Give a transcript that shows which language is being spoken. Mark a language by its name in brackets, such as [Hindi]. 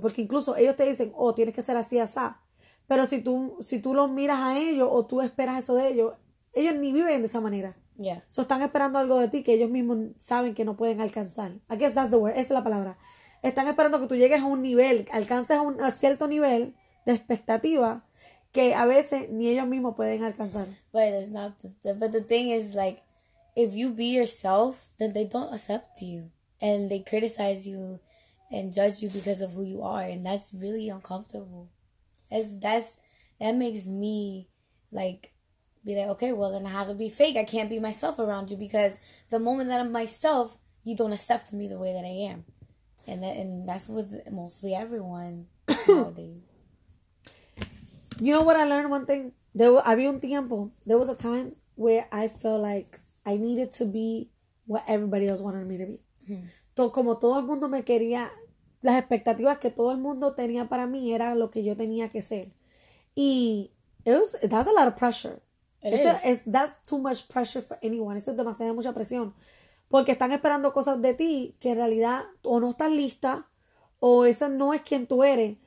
[Spanish] Porque incluso ellos te dicen, oh, tienes que ser así, asá. Pero si tú los miras a ellos o tú esperas eso de ellos ni viven de esa manera. [English] Yeah. [Spanish] So están esperando algo de ti que ellos mismos saben que no pueden alcanzar. [English] I guess that's the word. [Spanish] Esa es la palabra. Están esperando que tú llegues a un nivel, alcances a cierto nivel de expectativa que a veces ni ellos mismos pueden alcanzar. [English] But the thing is, like, if you be yourself, then they don't accept you. And they criticize you and judge you because of who you are. And that's really uncomfortable. That makes me, like, be like, okay, well, then I have to be fake. I can't be myself around you because the moment that I'm myself, you don't accept me the way that I am. And that's with mostly everyone nowadays. You know what I learned? One thing, there was a time where I felt like I needed to be what everybody else wanted me to be. [Spanish] Como todo el mundo me quería, las expectativas que todo el mundo tenía para mí era lo que yo tenía que ser. [English] Y that's a lot of pressure. It is. That's too much pressure for anyone. [Spanish] Eso es demasiada mucha presión. Porque están esperando cosas de ti que en realidad o no estás lista o esa no es quien tú eres.